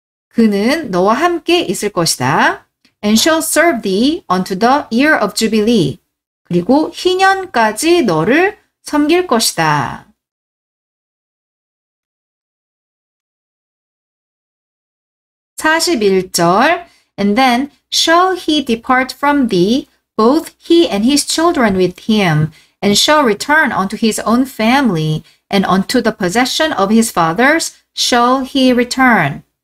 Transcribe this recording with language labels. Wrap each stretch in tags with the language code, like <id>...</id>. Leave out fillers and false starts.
<ko>그는 너와 함께 있을 것이다.</ko> <en>and shall serve thee unto the year of Jubilee.</en> <ko>그리고 희년까지 너를 섬길 것이다.</ko> <en>41절 And then shall he depart from thee, both he and his children with him, and shall return unto his own family, and unto the possession of his fathers shall he return.</en>